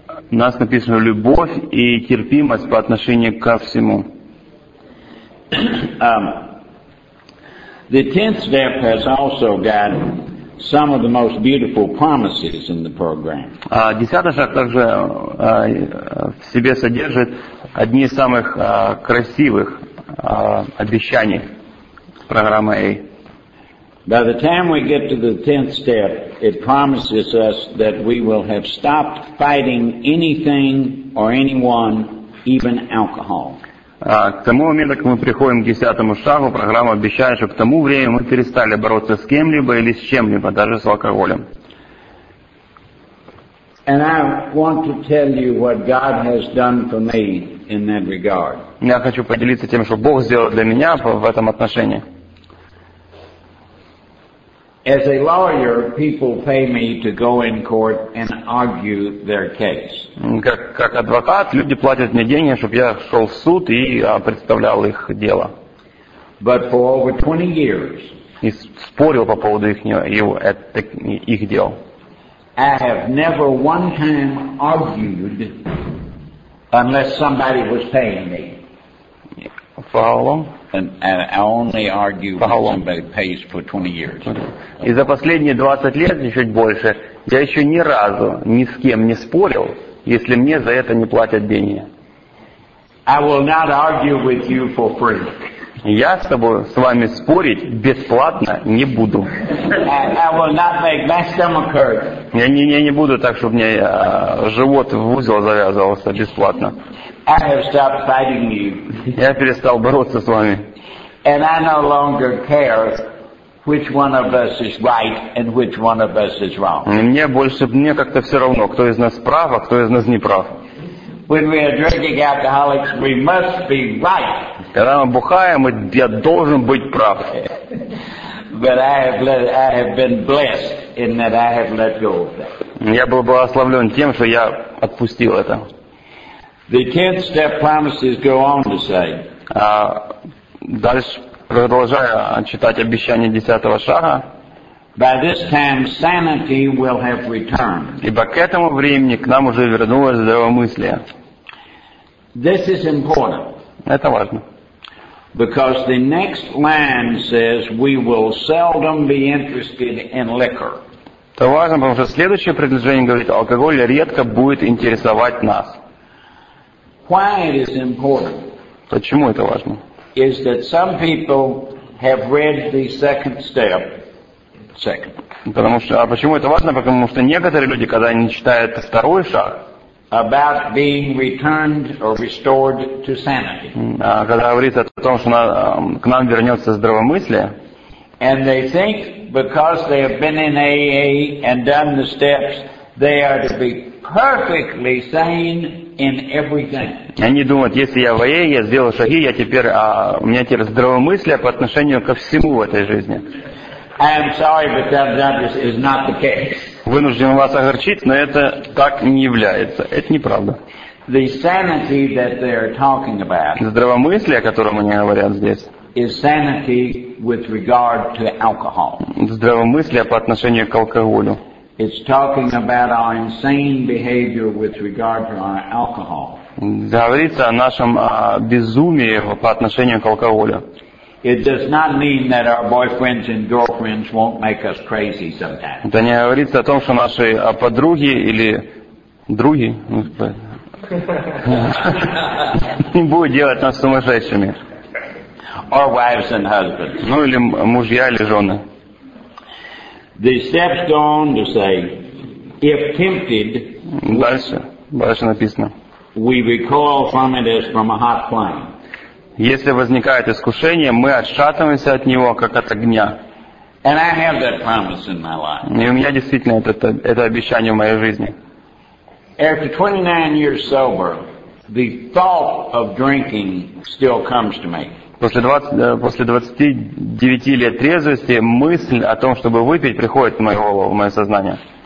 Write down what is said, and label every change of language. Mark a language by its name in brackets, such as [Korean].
[Russian] У нас написано любовь и терпимость по отношению ко всему. [English] The tenth step has also got some of the most beautiful promises in the program. [Russian] Десятый шаг также в себе содержит одни из самых красивых обещаний программы A. [English] By the time we get to the tenth step, it promises us that we will have stopped fighting anything or anyone, even alcohol. [Russian] К тому моменту, как мы приходим к десятому шагу, программа обещает, что к тому времени мы перестали бороться с кем-либо или с чем-либо, даже с алкоголем. [English] And I want to tell you what God has done for me in that regard. [Russian] Я хочу поделиться тем, что Бог сделал для меня в этом отношении. [English] As a lawyer, people pay me to go in court and argue their case. [Russian] Как адвокат, люди платят мне деньги, чтобы я шел в суд и представлял их дело. [English] But for over 20 years, [Russian] и спорил по поводу их дел. [English] I have never one time argued unless somebody was paying me. For how long? And I only argue when somebody pays for 20 years. [Russian] И за последние 20 лет, чуть больше, я еще ни разу ни с кем не спорил, если мне за это не платят деньги. [English] I will not argue with you for free. [Russian] Я с тобой, с вами спорить бесплатно не буду. [English] I will not make my stomach hurt. [Russian] Я не буду так, чтобы мне живот в узел завязывался бесплатно. [English] I have stopped fighting you. [Russian] Я перестал бороться с вами. [English] And I no longer care which one of us is right and which one of us is wrong. [Russian] Мне как-то все равно, кто из нас прав, а кто из нас не прав. [English] When we are drinking alcoholics, we must be right. [Russian] Когда мы бухаем, я должен быть прав. [English] But I have been blessed in that I have let go of that. [Russian] Я был благословлен тем, что я отпустил это. [English] The tenth step promises go on to say. [Russian] Дальше продолжая читать обещание десятого шага. [English] By this time sanity will have returned. [Russian] Ибо к этому времени к нам уже вернулось здравомыслие. [English] This is important. [Russian] Это важно. [English] Because the next line says we will seldom be interested in liquor. [Russian] Это важно, потому что следующее предложение говорит, алкоголь редко будет интересовать нас. [English] Why it is important? [Russian] Почему это важно? [English] Is that some people have read the second step. Second. [Russian] Потому что, а почему это важно? Потому что некоторые люди, когда они читают второй шаг, [English] about being returned or restored to sanity. [Russian] Когда говорится о том, что к нам вернется здравомыслие, [English] and they think because they have been in AA and done the steps, they are to be perfectly sane in everything. [Russian] Они думают, если я в АА, я сделал шаги, я теперь, у меня теперь здравомыслие по отношению ко всему в этой жизни. [English] I am sorry, but that is not the case. [Russian] Вынужден вас огорчить, но это так не является. Это неправда. [English] The sanity that they are talking about. [Russian] Здравомыслие, о котором они говорят здесь. [English] Is sanity with regard to alcohol. [Russian] Здравомыслие по отношению к алкоголю. [English] It's talking about our insane behavior with regard to our alcohol. [Russian] Говорится о нашем безумии по отношению к алкоголю. [English] It does not mean that our boyfriends and girlfriends won't make us crazy sometimes. [Russian] Это не говорится о том, что наши подруги или други не будут делать нас сумасшедшими. [English] Or wives and husbands. [Russian] Ну или мужья или жены. [English] The steps go on to say, if tempted. [Russian] Дальше написано. [English] We recoil from it as from a hot flame. [Russian] Если возникает искушение, мы отшатываемся от него, как от огня. [English] And I have that promise in my life. [Russian] И у меня действительно это обещание в моей жизни. [English] After 29 years sober, the thought of drinking still comes to me. [Russian] После 29 лет трезвости мысль о том, чтобы выпить, приходит в мою голову, в мое сознание.